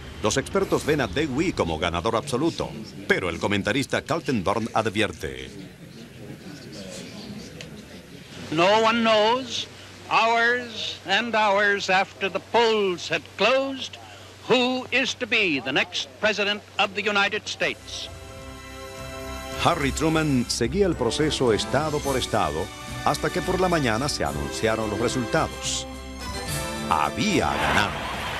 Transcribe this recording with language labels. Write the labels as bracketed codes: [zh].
[es] Los expertos ven a Dewey como ganador absoluto, pero el comentarista Kaltenborn advierte. [en] No one knows, hours and hours after the polls had closed, who is to be the next president of the United States. [es] Harry Truman seguía el proceso estado por estado hasta que por la mañana se anunciaron los resultados. Había ganado.